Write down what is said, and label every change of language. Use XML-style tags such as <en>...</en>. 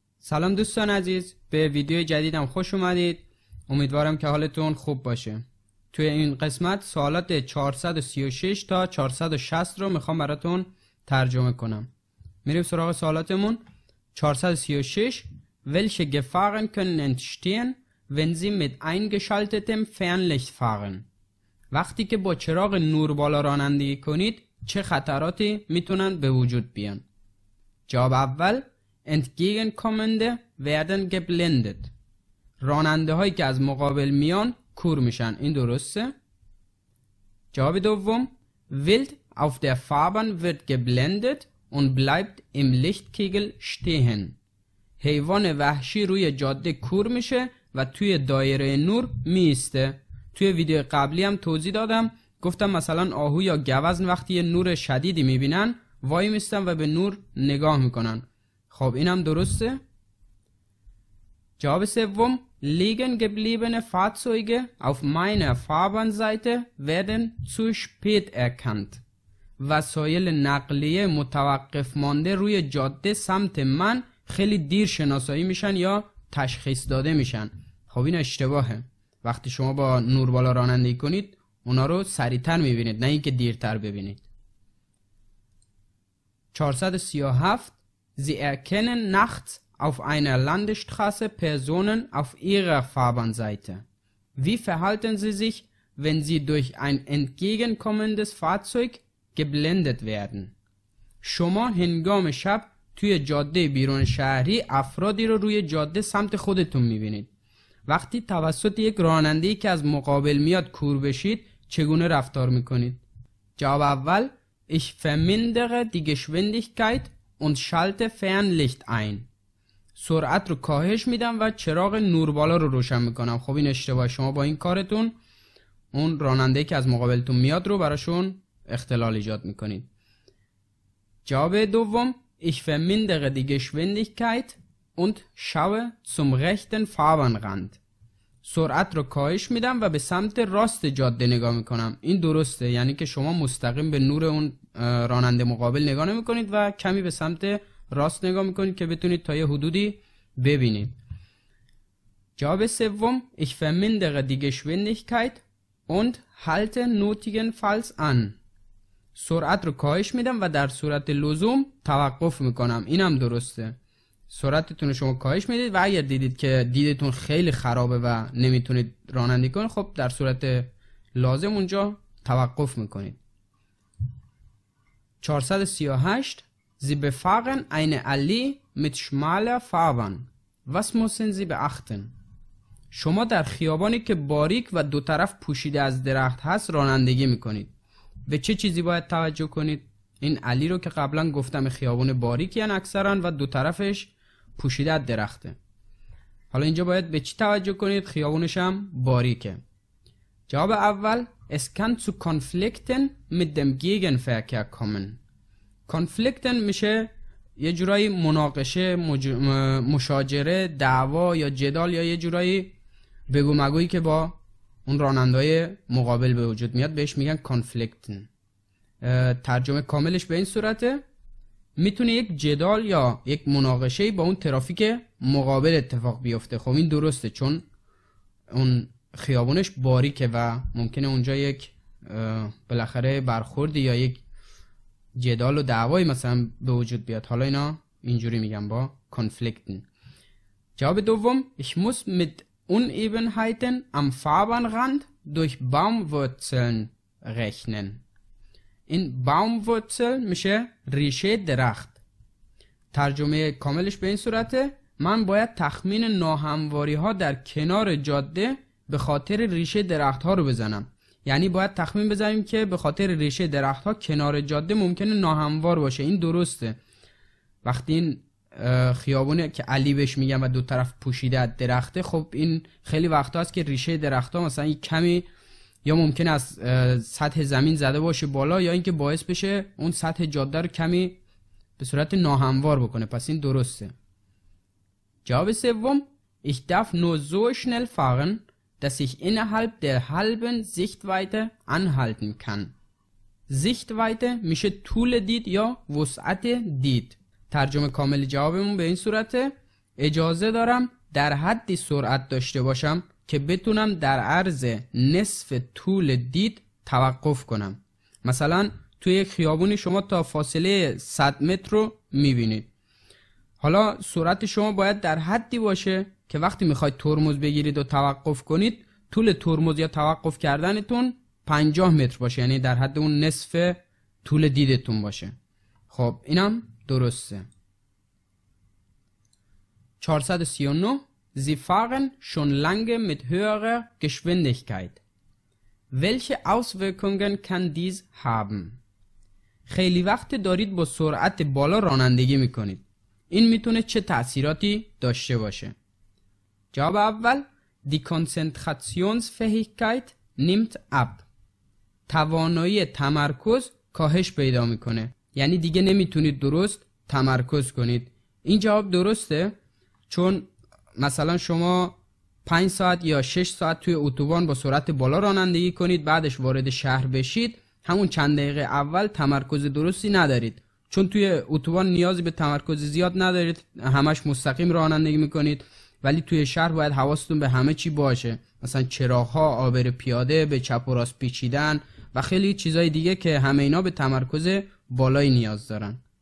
<fa>سلام دوستان عزیز، به ویدیو جدیدم خوش اومدید. امیدوارم که حالتون خوب باشه. توی این قسمت سوالات 436 تا 460 رو میخوام براتون ترجمه کنم. میریم سراغ سوالاتمون.</fa> <de>436: Welche Gefahren können entstehen, wenn Sie mit eingeschaltetem Fernlicht fahren?</de> <fa>وقتی که با چراغ نور بالا رانندگی کنید چه خطراتی میتونن به وجود بیان؟ جواب اول:</fa> <de>Entgegenkommende werden geblendet.</de> <fa>راننده هایی که از مقابل میان کور میشن. این درسته؟ جواب دوم:</fa> <de>Wild auf der Fahrbahn wird geblendet und bleibt im Lichtkegel stehen.</de> <fa>حیوان وحشی روی جاده کور میشه و توی دایره نور میسته. توی ویدیو قبلی هم توضیح دادم، گفتم مثلا آهو یا گوزن وقتی نور شدیدی میبینن وای میستن و به نور نگاه میکنن. خب اینم درسته؟ جواب سوم:</fa> <de>liegen gebliebene Fahrzeuge auf meiner Fahrbahnseite werden zu spät erkannt.</de> <fa>وسایل نقلیه متوقف مانده روی جاده سمت من خیلی دیر شناسایی میشن یا تشخیص داده میشن. خب این اشتباهه. وقتی شما با نور بالا رانندگی کنید اونا رو سریعتر میبینید، نه اینکه دیرتر ببینید.</fa> <de>437: Sie erkennen nachts auf einer Landesstraße Personen auf ihrer Fahrbahnseite. Wie verhalten Sie sich, wenn Sie durch ein entgegenkommendes Fahrzeug geblendet werden?</de> <fa>شما هنگام شب توی جاده بیرون شهری افرادی رو روی جاده سمت خودتون میبینید. وقتی توسط یک راننده ای که از مقابل میاد کور بشید چگونه رفتار میکنید؟ جواب اول:</fa> <de>Ich vermindere die Geschwindigkeit und schalte Fernlicht ein.</de> <fa>سرعت رو کاهش میدم و چراغ نوربالا رو روشن میکنم. خب این اشتباه. شما با این کارتون اون راننده که از مقابلتون میاد رو براشون اختلال ایجاد میکنید. جواب دوم:</fa> <de>Ich vermindere die Geschwindigkeit und schaue zum rechten Fahrbahnrand.</de> <fa>سرعت رو کاهش میدم و به سمت راست جاده نگاه میکنم. این درسته، یعنی که شما مستقیم به نور اون راننده مقابل نگاه نمیکنید و کمی به سمت راست نگاه میکنید که بتونید تا یه حدودی ببینید. جواب سوم:</fa> <de>Ich vermindere die Geschwindigkeit und halte notigenfalls an.</de> <fa>سرعت رو کاهش میدم و در صورت لزوم توقف میکنم. اینم درسته. سرعتتون رو شما کاهش میدید و اگر دیدید که دیدتون خیلی خرابه و نمیتونید رانندگی کنید، خب در صورت لازم اونجا توقف میکنید. 438: Sie befahren eine Allee mit schmaler Fahrbahn. Was müssen Sie beachten? شما در خیابانی که باریک و دو طرف پوشیده از درخت هست رانندگی میکنید. به چه چیزی باید توجه کنید؟ این علی رو که قبلا گفتم خیابان باریکی هن اکثرا و دو طرفش پوشیده از درخته. حالا اینجا باید به چی توجه کنید؟ خیابانش هم باریکه. جواب اول:</fa> <de>Es kann zu Konflikten mit dem Gegenverkehr kommen.</de> <fa>Konflikten میشه یه جورایی مناقشه، مشاجره، دعوا یا جدال یا یه جورایی بگو مگویی که با اون رانندهای مقابل به وجود میاد، بهش میگن کانفلیکتن. ترجمه کاملش به این صورته: میتونه یک جدال یا یک مناقشه با اون ترافیک مقابل اتفاق بیفته. خب این درسته، چون اون خیابونش باریکه و ممکنه اونجا یک بالاخره برخوردی یا یک جدال و دعوایی مثلا به وجود بیاد. حالا اینا اینجوری میگن با کانفلیکتن. جواب دوم:</fa> <de>Ich muss mit Unebenheiten am Fahrbahnrand durch Baumwurzeln rechnen.</de> <fa>این Baumwurzel میشه ریشه درخت. ترجمه کاملش به این صورته: من باید تخمین ناهمواری ها در کنار جاده به خاطر ریشه درخت ها رو بزنم. یعنی باید تخمین بزنیم که به خاطر ریشه درخت ها کنار جاده ممکنه ناهموار باشه. این درسته. وقتی این خیابونه که علی بهش میگم و دو طرف پوشیده از درخته، خب این خیلی وقت هاست که ریشه درخت ها مثلا کمی یا ممکن از سطح زمین زده باشه بالا یا اینکه باعث بشه اون سطح جاده رو کمی به صورت ناهموار بکنه. پس این درسته. جواب سوم:</fa> <de>Ich darf nur so schnell fahren, dass ich innerhalb der halben Sichtweite anhalten kann.</de> <fa>Sichtweite میشه طول دید یا وسعت دید. ترجمه کامل جوابمون به این صورته: اجازه دارم در حدی سرعت داشته باشم که بتونم در عرض نصف طول دید توقف کنم. مثلا توی خیابونی شما تا فاصله 100 متر رو میبینید. حالا سرعت شما باید در حدی باشه که وقتی میخواید ترمز بگیرید و توقف کنید، طول ترمز یا توقف کردنتون 50 متر باشه، یعنی در حد اون نصف طول دیدتون باشه. خب اینم درسته.</fa> <de>439 Sie fahren schon lange mit höherer Geschwindigkeit. Welche Auswirkungen kann dies haben?</de> <fa>خیلی وقت دارید با سرعت بالا رانندگی میکنید. این میتونه چه تأثیراتی داشته باشه؟ جواب اول:</fa> <de>Die Konzentrationsfähigkeit nimmt ab.</de> <fa>توانایی تمرکز کاهش پیدا میکنه. یعنی دیگه نمیتونید درست تمرکز کنید. این جواب درسته؟ چون مثلا شما 5 ساعت یا 6 ساعت توی اتوبان با سرعت بالا رانندگی کنید، بعدش وارد شهر بشید، همون چند دقیقه اول تمرکز درستی ندارید، چون توی اتوبان نیازی به تمرکز زیاد ندارید، همش مستقیم رانندگی میکنید، ولی توی شهر باید حواستون به همه چی باشه، مثلا چراغ‌ها، عابر پیاده، به چپ و راست پیچیدن و خیلی چیزای دیگه که همه اینا به تمرکز بالایی نیاز دارن.</fa>